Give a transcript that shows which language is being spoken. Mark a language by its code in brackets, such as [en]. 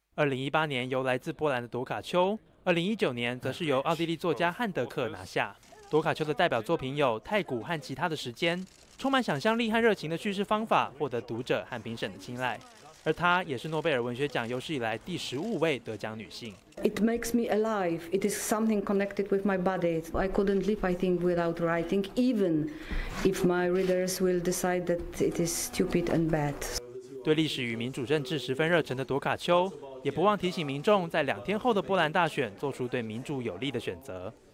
[zh] 2018年由来自波兰的朵卡丘，2019年则是由奥地利作家汉德克拿下。朵卡丘的代表作品有《太古》和《其他的时间》，充满想象力和热情的叙事方法获得读者和评审的青睐。而她也是诺贝尔文学奖有史以来第15位得奖女性。 [en] It makes me alive. It is something connected with my body. I couldn't live, I think, without writing, even if my readers will decide that it is stupid and bad. [zh] 对历史与民主政治十分热忱的朵卡丘，也不忘提醒民众在2天后的波兰大选做出对民主有利的选择。